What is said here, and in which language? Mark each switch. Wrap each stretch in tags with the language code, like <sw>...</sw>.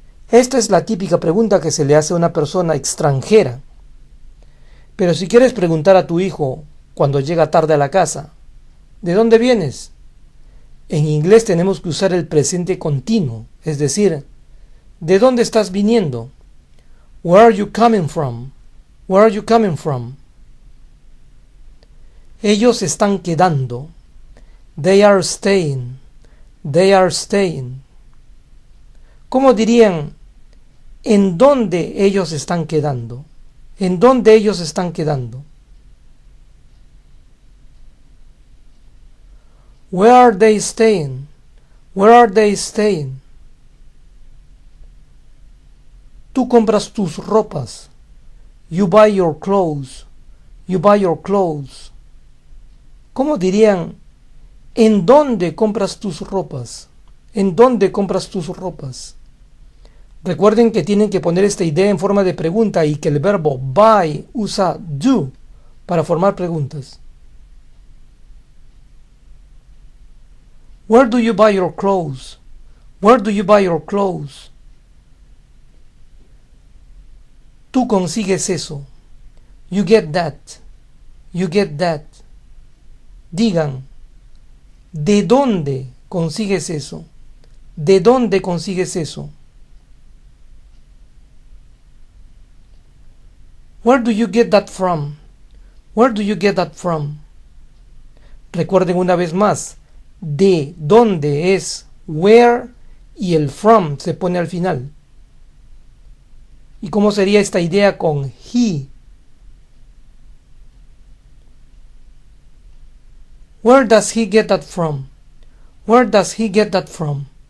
<es>Esta es la típica pregunta que se le hace a una persona extranjera. Pero si quieres preguntar a tu hijo cuando llega tarde a la casa, ¿de dónde vienes? En inglés tenemos que usar el presente continuo, es decir, ¿de dónde estás viniendo?</es> <en>Where are you coming from? Where are you coming from?</en> <es>Ellos están quedando.</es> <en>They are staying. They are staying.</en> <es>¿Cómo dirían? ¿En dónde ellos están quedando? ¿En dónde ellos están quedando?</es> <en>Where are they staying? Where are they staying?</en> <es>Tú compras tus ropas.</es> <en>You buy your clothes. You buy your clothes.</en> <es>¿Cómo dirían? ¿En dónde compras tus ropas? ¿En dónde compras tus ropas? Recuerden que tienen que poner esta idea en forma de pregunta y que el verbo buy usa do para formar preguntas.</es> <en>Where do you buy your clothes? Where do you buy your clothes?</en> <es>Tú consigues eso.</es> <en>You get that. You get that.</en> <es>Digan, ¿de dónde consigues eso? ¿De dónde consigues eso?</es> <en>Where do you get that from? Where do you get that from?</en> <es>Recuerden una vez más, de dónde es where y el from se pone al final. ¿Y cómo sería esta idea con he?</es> <en>Where does he get that from? Where does he get that from?</en>